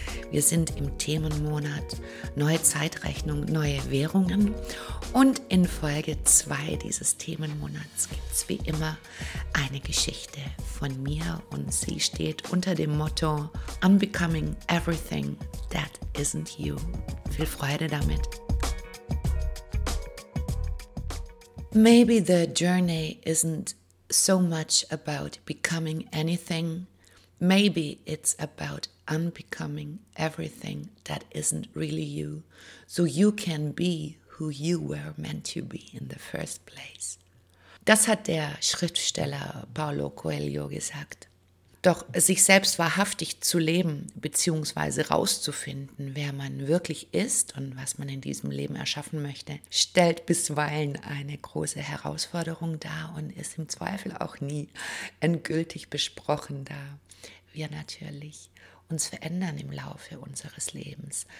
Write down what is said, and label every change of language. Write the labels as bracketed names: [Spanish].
[German] Wir sind im Themenmonat Neue Zeitrechnung, neue Währungen und in Folge 2 dieses Themenmonats gibt es wie immer eine Geschichte von mir und sie steht unter dem Motto Unbecoming Everything That Isn't You. Viel Freude damit. [English] Maybe the journey isn't so much about becoming anything. Maybe it's about unbecoming everything that isn't really you, so you can be who you were meant to be in the first place. [German] Das hat der Schriftsteller Paulo Coelho gesagt. Doch sich selbst wahrhaftig zu leben bzw. rauszufinden, wer man wirklich ist und was man in diesem Leben erschaffen möchte, stellt bisweilen eine große Herausforderung dar und ist im Zweifel auch nie endgültig besprochen, da wir natürlich uns verändern im Laufe unseres Lebens.